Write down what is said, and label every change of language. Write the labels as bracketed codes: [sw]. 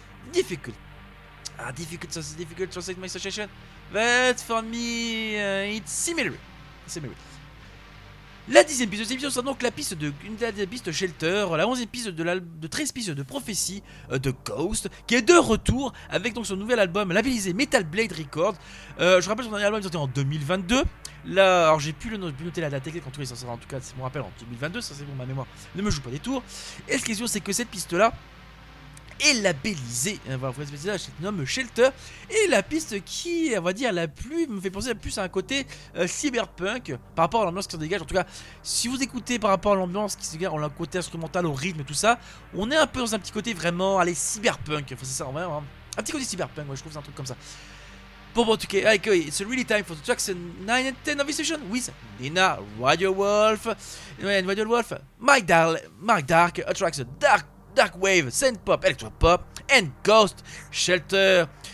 [en] Difficult to translate my situation, but for me, it's similar. [fr] La 10ème piste de l'émission sera donc la piste de Shelter, la 11ème piste de 13 pistes de Prophecy de Ghost, qui est de retour avec donc son nouvel album labellisé Metal Blade Records. Je rappelle son dernier album est sorti en 2022. Là, alors j'ai plus le nom, noter la date exacte en tout cas, en tout cas c'est mon rappel en 2022, ça c'est bon, ma mémoire ne me joue pas des tours. Et ce qui est sûr, c'est que cette piste là est labellisé, on va dire, c'est un homme Shelter, et la piste qui, on va dire, la plus, me fait penser plus à un côté cyberpunk, par rapport à l'ambiance qui se dégage, en tout cas, si vous écoutez par rapport à l'ambiance qui se dégage, au côté instrumental, au rythme, tout ça, on est un peu dans un petit côté vraiment, allez, cyberpunk, enfin, c'est ça, en vrai, hein. Un petit côté cyberpunk, moi, je trouve, c'est un truc comme ça. Bon, en tout cas, [en] okay, it's really time for the tracks 9 and 10 of this session with Nina, Radio Wolf, and Radio Wolf, Mike Dark, attracts a dark, Dark Wave, Synth Pop, Electro Pop, and Ghost Shelter.